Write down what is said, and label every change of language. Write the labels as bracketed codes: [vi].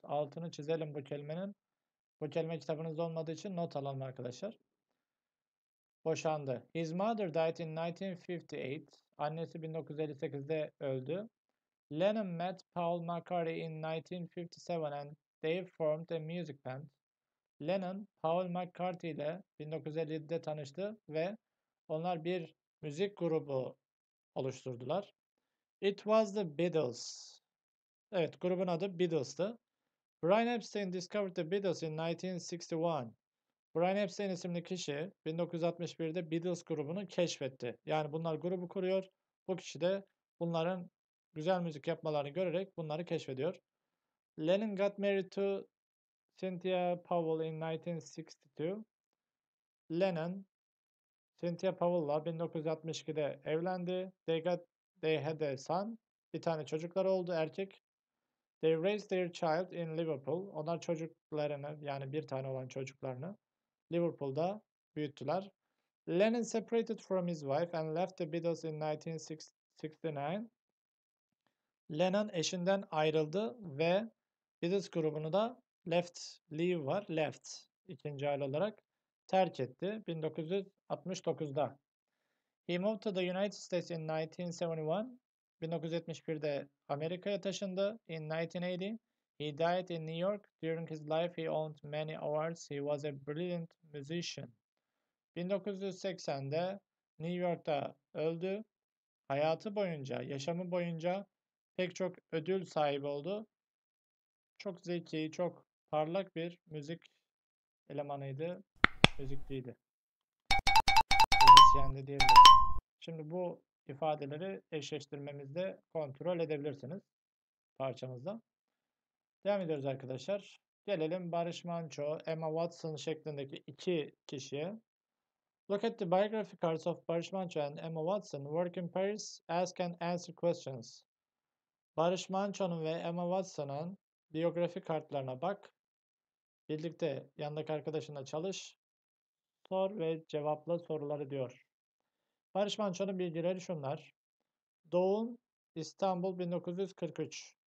[tr] Altını çizelim bu kelimenin. Bu kelime kitabınızda olmadığı için not alalım arkadaşlar. Boşandı. [en] His mother died in 1958. [tr] Annesi 1958'de öldü. [en] Lennon met Paul McCartney in 1957 and they formed a music band. [tr] Lennon, Paul McCartney ile 1957'de tanıştı ve onlar bir müzik grubu oluşturdular. [en] It was the Beatles. [tr] Evet, grubun adı Beatles'tı. [en] Brian Epstein discovered the Beatles in 1961. [tr] Brian Epstein isimli kişi 1961'de Beatles grubunu keşfetti. Yani bunlar grubu kuruyor. Bu kişi de bunların güzel müzik yapmalarını görerek bunları keşfediyor. [en] Lennon got married to Cynthia Powell in 1962. [tr] Lennon, Cynthia Powell'la 1962'de evlendi. [en] They had a son. [tr] Bir tane çocukları oldu, erkek. [en] They raised their child in Liverpool. [tr] Onlar çocuklarını, yani bir tane olan çocuklarını Liverpool'da büyüttüler. [en] Lennon separated from his wife and left the Beatles in 1969. [tr] Lennon eşinden ayrıldı ve Beatles grubunu da left ikinci ayrı olarak terk etti 1969'da. [en] He moved to the United States in 1971. [tr] 1971'de Amerika'ya taşındı. [en] In 1980, he died in New York. During his life, he owned many awards. He was a brilliant musician. [tr] 1980'de New York'ta öldü. Hayatı boyunca, yaşamı boyunca pek çok ödül sahibi oldu. Çok zeki, çok parlak bir müzik elemanıydı, müzikçiydi. Müzisyendi diyebiliriz. Şimdi bu ifadeleri eşleştirmemizde kontrol edebilirsiniz parçamızda. Devam ediyoruz arkadaşlar. Gelelim Barış Manço, Emma Watson şeklindeki iki kişiye. [en] Look at the biography cards of Barış Manço and Emma Watson. Work in Paris. Ask and answer questions. [tr] Barış Manço'nun ve Emma Watson'ın biyografi kartlarına bak. Birlikte yanındaki arkadaşınla çalış. Sor ve cevapla soruları diyor. Barış Manço'nun bilgileri şunlar. Doğum İstanbul 1943.